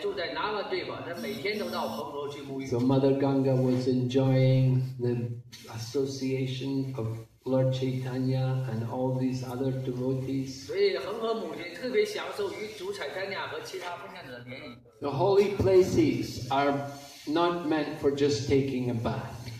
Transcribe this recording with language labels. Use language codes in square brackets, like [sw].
[zh] 你看那个彩檀尼亚在24岁之前就在南湾对吧，他每天都到恒河去沐浴。 [en] So Mother Ganga was enjoying the association of Lord Chaitanya and all these other devotees. [zh] 所以恒河母亲特别享受与主彩檀尼亚和其他奉献者的联谊。 [en] The holy places are not meant for just taking a bath.